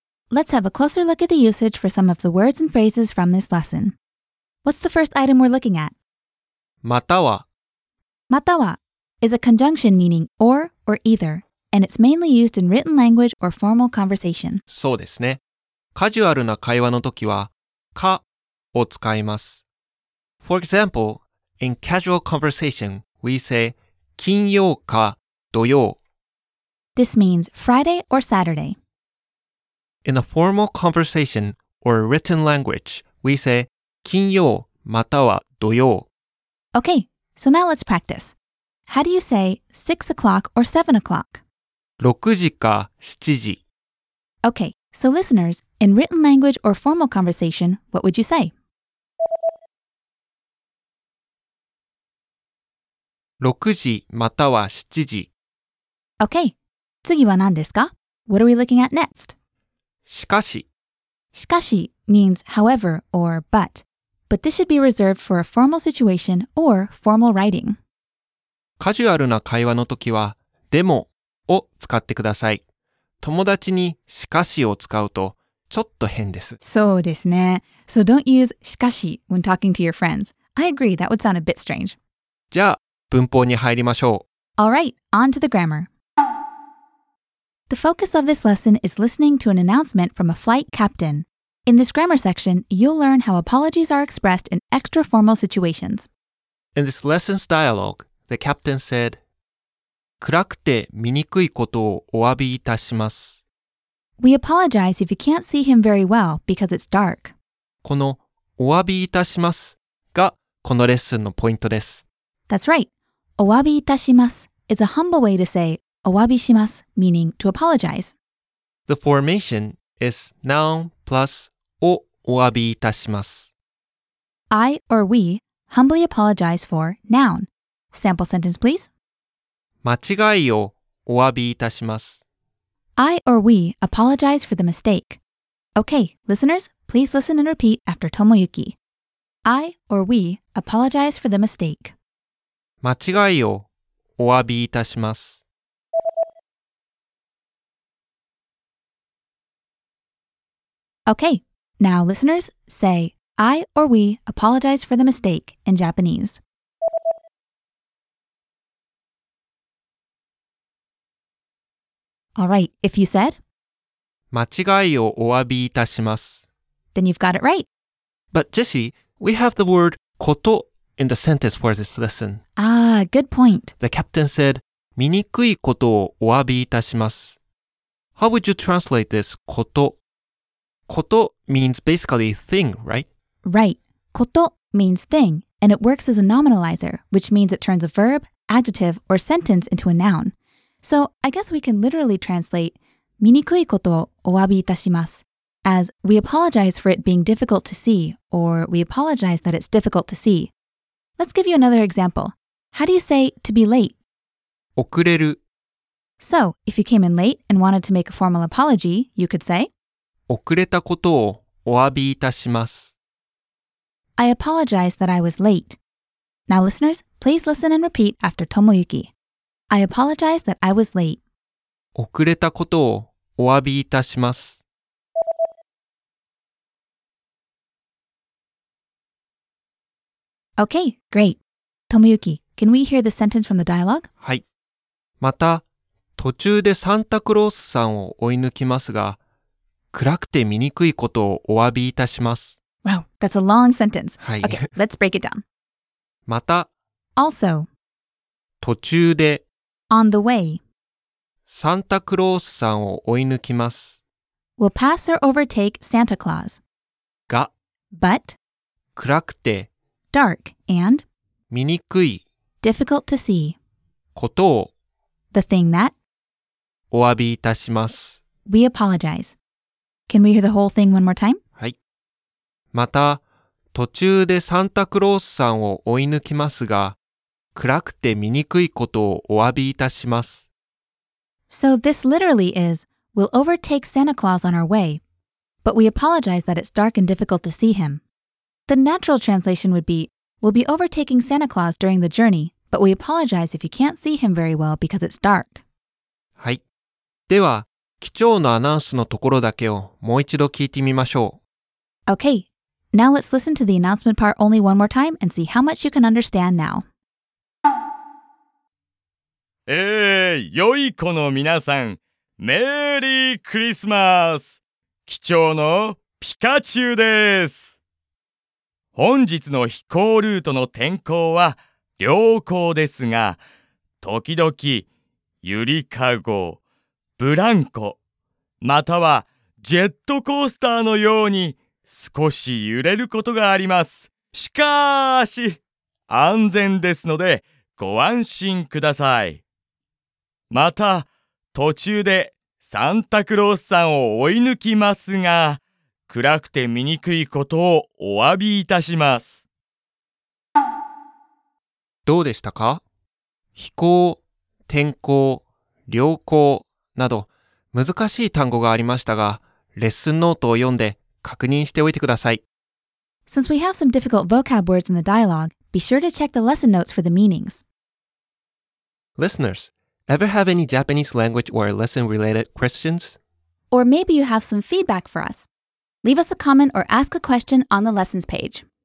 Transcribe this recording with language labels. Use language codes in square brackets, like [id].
[en] Let's have a closer look at the usage for some of the words and phrases from this lesson. What's the first item we're looking at? [ja] または [en] または is a conjunction meaning or either, and it's mainly used in written language or formal conversation. [ja] そうですね。カジュアルな会話の時は、かを使います。 [en] For example, in casual conversation, we say [ja] 金曜か土曜。 [en] This means Friday or Saturday. In a formal conversation or written language, we say [ja] 金曜または土曜。 [en] Okay, so now let's practice. How do you say 6 o'clock or 7 o'clock? [ja] 6時か7時。 [en] Okay, so listeners, in written language or formal conversation, what would you say? [ja] 6時または7時。 Okay, 次は何ですか? [en] What are we looking at next? [ja] しかし。 [en] しかし means however or but this should be reserved for a formal situation or formal writing. [ja] カジュアルな会話の時は、でもを使ってください。友達にしかしを使うと、ちょっと変です。そうですね。 [en] So don't use しかし when talking to your friends. I agree, that would sound a bit strange. [ja] じゃあ、文法に入りましょう。 [en] Alright, on to the grammar. The focus of this lesson is listening to an announcement from a flight captain. In this grammar section, you'll learn how apologies are expressed in extra formal situations. In this lesson's dialogue,The captain said, [ja] 暗くて見にくいことをお詫びいたします。 [en] We apologize if you can't see him very well because it's dark. [ja] このお詫びいたしますがこのレッスンのポイントです。 [en] That's right. お詫びいたします is a humble way to say お詫びします meaning to apologize. The formation is noun plus お詫びいたします。 I or we humbly apologize for noun. Sample sentence, please. [ja] 間違いをお詫びいたします。 [en] I or we apologize for the mistake. Okay, listeners, please listen and repeat after Tomoyuki. I or we apologize for the mistake. [ja] 間違いをお詫びいたします。 [en] Okay, now listeners, say I or we apologize for the mistake in Japanese. All right, if you said [ja] 間違いをお詫びいたします。 [en] Then you've got it right. But Jesse, we have the word ことin the sentence for this lesson. Ah, good point. The captain said, [ja] 醜いことをお詫びいたします。 [en] How would you translate this こと? こと means basically thing, right? Right. こと means thing, and it works as a nominalizer, which means it turns a verb, adjective, or sentence into a noun. So I guess we can literally translate [ja] 醜いことをお詫びいたします [en] as we apologize for it being difficult to see, or we apologize that it's difficult to see. Let's give you another example. How do you say to be late? [ja] 遅れる [en] So, if you came in late and wanted to make a formal apology, you could say [ja] 遅れたことをお詫びいたします [en] I apologize that I was late. Now listeners, please listen and repeat after Tomoyuki. I apologize that I was late. [ja] 遅れたことをお詫びいたします [en] Okay, great. Tomoyuki, can we hear the sentence from the dialogue? [ja] はい。また、途中でサンタクロースさんを追い抜きますが、暗くて見にくいことをお詫びいたします。 [en] Wow, that's a long sentence. [ja] はい。 [en] Okay, let's break it down. [ja] また、 [en] Also, [ja] 途中で、 [en] On the way, [ja] サンタクロースさんを追い抜きます。 [en] Will pass or overtake Santa Claus. [ja] が、 [en] But, [ja] 暗くて、 [en] Dark and [ja] 見にくい [en] difficult to see [ja] ことを [en] the thing that [ja] お詫びいたします [en] We apologize. Can we hear the whole thing one more time? [ja] はい。また途中でサンタクロースさんを追い抜きますが暗くて見にくいことをお詫びいたします [en] So this literally is We'll overtake Santa Claus on our way But we apologize that it's dark and difficult to see himThe natural translation would be, we'll be overtaking Santa Claus during the journey, but we apologize if you can't see him very well because it's dark. [ja] はい。では、機長のアナウンスのところだけをもう一度聞いてみましょう。 [en] Okay, now let's listen to the announcement part only one more time and see how much you can understand now. [ja] 良い子の皆さん、メリークリスマス。機長のピカチュウです。本日の飛行ルートの天候は良好ですが、時々ゆりかご、ブランコ、またはジェットコースターのように少し揺れることがあります。しかし、安全ですのでご安心ください。また、途中でサンタクロースさんを追い抜きますが、暗くて見にくいことをお詫びいたします。どうでしたか? 飛行、天候、良好など難しい単語がありましたが、レッスンノートを読んで確認しておいてください。 [en] Since we have some difficult vocab words in the dialogue, be sure to check the lesson notes for the meanings. Listeners, ever have any Japanese language or lesson related questions? Or maybe you have some feedback for us? Leave us a comment or ask a question on the lessons page.